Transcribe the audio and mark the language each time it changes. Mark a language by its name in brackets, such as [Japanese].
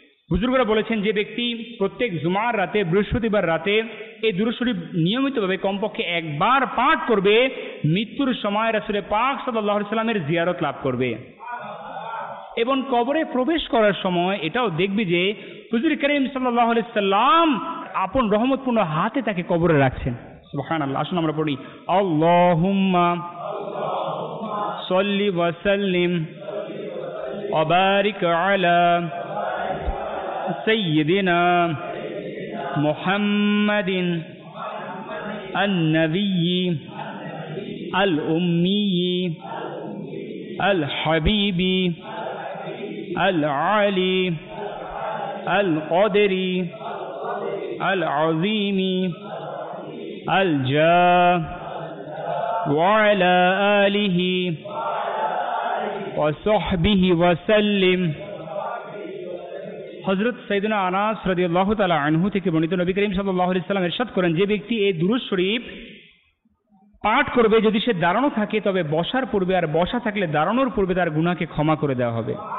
[Bangla] বুজুর্গরা বলেছেন যে ব্যক্তি প্রত্যেক জুমার রাতে বৃহস্পতিবার রাতে এই দুরুদ শরীফ নিয়মিতভাবে কমপক্ষে একবার পাঠ করবে, মৃত্যুর সময় রাসূলের পাক সাল্লাল্লাহু আলাইহি সাল্লামের জিয়ারত লাভ করবে এবং কবরে প্রবেশ করার সময় এটাও দেখবে যে হুজুর করিম সাল্লাল্লাহু আলাইহি সাল্লাম আপন রহমতপূর্ণ হাতে তাকে কবরে রাখছেন। সুবহানাল্লাহ। আসুন আমরা পড়ি, আল্লাহুম্মা সল্লি ওয়া সাল্লিম ওয়া বারিক আলা [Arabic] سيدنا محمد النبي الأمي الحبيب العلي القدر العظيم الجاه وعلى آله وصحبه وسلم। [Bangla] হযরত সাইয়েদুনা আনাস রাদিয়াল্লাহু তাআলা আনহু থেকে বর্ণিত নবী করিম সাল্লাল্লাহু আলাইহি সাল্লাম ইরশাদ করেন, যে ব্যক্তি এই দুরূদ শরীফ পাঠ করবে যদি সে দাঁড়ানো থাকে তবে বসার পূর্বে, আর বসা থাকলে দাঁড়ানোর পূর্বে তার গুনাহকে ক্ষমা করে দেওয়া হবে।